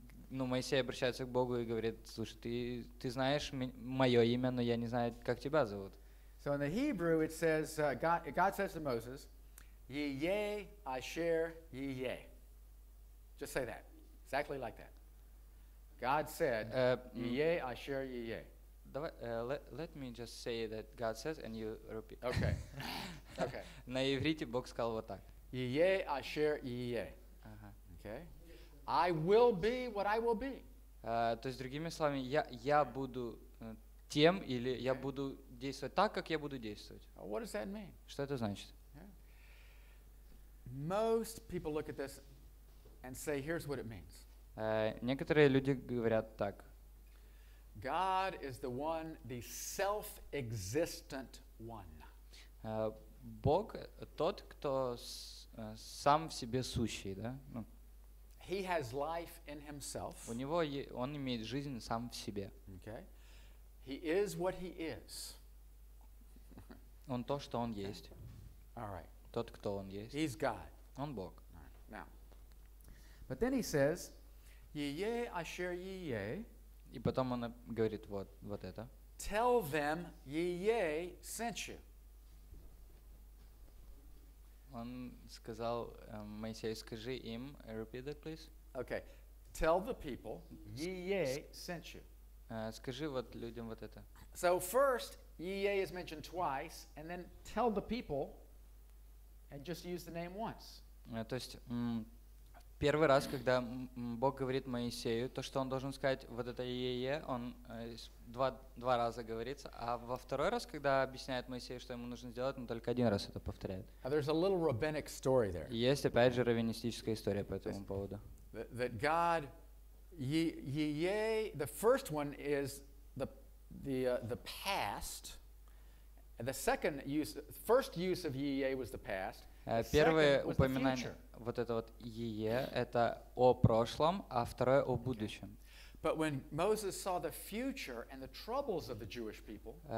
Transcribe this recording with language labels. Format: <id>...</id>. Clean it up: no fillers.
<ru>Ну, Моисей обращается к Богу и говорит, слушай, ты знаешь мое имя, но я не знаю, как тебя зовут.</ru> <en>So in the Hebrew it says, God says to Moses,</en> <he>Yehye Asher Yehye.</he> <en>Just say that. Exactly like that. God said,</en> <he>Yehye Asher Yehye.</he> <en>Let me just say that God says and you repeat. Okay.</en> <ru>На иврите Бог сказал вот так.</ru> <he>Yehye Asher Yehye.</he> <en>Okay. I will be what I will be.</en> <ru>То есть другими словами, я буду тем или я буду действовать так, как я буду действовать.</ru> <en>What does that mean?</en> <ru>Что это значит?</ru> <en>Most people look at this and say, here's what it means.</en> <ru>Некоторые люди говорят так.</ru> <en>God is the one, the self-existent one.</en> <ru>Бог тот, кто сам в себе сущий, да?</ru> <en>He has life in himself.</en> <ru>У него он имеет жизнь сам в себе.</ru> <en>Okay. He is what he is.</en> <ru>Он то, что он есть.</ru> <en>All right.</en> <ru>Тот, кто он есть.</ru> <en>He's God.</en> <ru>Он Бог.</ru> <en>Right. Now. But then he says,</en> <he>Yehye Asher Yehye.</he> <ru>И потом он говорит вот это.</ru> <en>Tell them Yehye sent you.</en> <ru>Он сказал, Моисей, скажи им,</ru> <en>repeat that, please. Okay. Tell the people Yehye sent you.</en> <ru>Скажи вот людям вот это.</ru> <en>So first, Yehye is mentioned twice, and then tell the people, and just use the name once.</en> <ru>То есть первый раз, когда Бог говорит Моисею, то, что он должен сказать, вот это Yehye, он два раза говорится, а во второй раз, когда объясняет Моисею, что ему нужно сделать, он только один раз это повторяет.</ru> <en>Now, there's a little rabbinic story there.</en> <ru>Есть опять же раввинистическая история по этому поводу.</ru> <en>That God, Yehye, the first one is the past. The second use, first use of Yehye was the past.</en> <ru>Первое упоминание вот это вот Yehye это о прошлом, а второе о будущем.</ru> <en>But when Moses saw the future and the troubles of the Jewish people,</en>